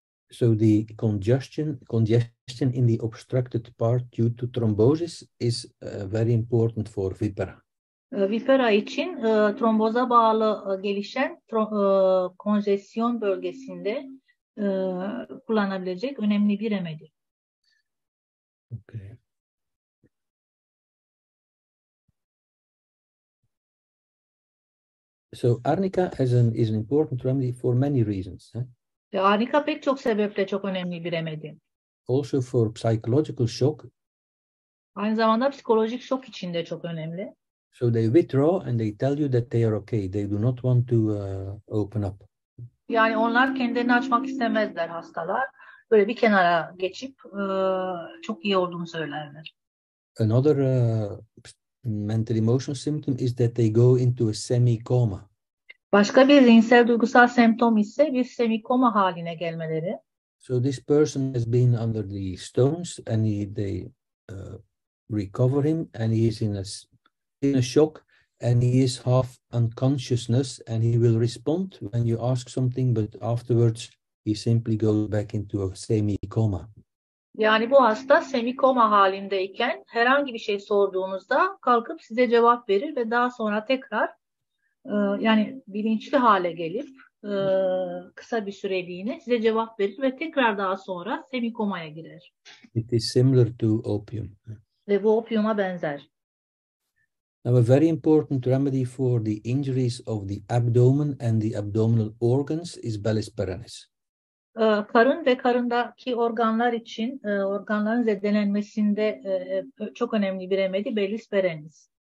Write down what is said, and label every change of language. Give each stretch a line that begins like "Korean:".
English: So the congestion in the obstructed part due to thrombosis is very important for vipera.
Turkish: Vipera için tromboza bağlı gelişen konjesyon bölgesinde kullanabilecek önemli bir remedi.
English: Okay. So arnica is an important remedy for many reasons. Eh?
Turkish: Arnica pek çok sebeple çok önemli bir remedi.
English: Also for psychological shock.
Turkish: Aynı zamanda psikolojik şok için de çok önemli.
English: So they withdraw and they tell you that they are okay. They do not want to open up.
Turkish: Yani onlar kendilerini açmak istemezler hastalar. Böyle bir kenara geçip çok iyi olduğunu söylerler.
English: Another mental emotional symptom is that they go into a semi-coma.
Turkish: Başka bir zihinsel duygusal semptom ise bir semi-coma haline gelmeleri.
English: So this person has been under the stones and they recover him and he is in a shock and he is half unconsciousness and he will respond when you ask something but afterwards he simply goes back into a semi-coma.
Turkish: Yani bu hasta semi-coma halindeyken herhangi bir şey sorduğunuzda kalkıp size cevap verir ve daha sonra tekrar yani bilinçli hale gelip kısa bir süreliğine size cevap verir ve tekrar daha sonra semi-comaya girer.
English: It is similar to opium.
Turkish: Ve bu opiuma benzer.
English: Now a very important remedy for the injuries of the abdomen and the abdominal organs is belisperanis.
Turkish: Karın ve karındaki organlar için organların zedelenmesinde çok önemli bir remedi belisperanis.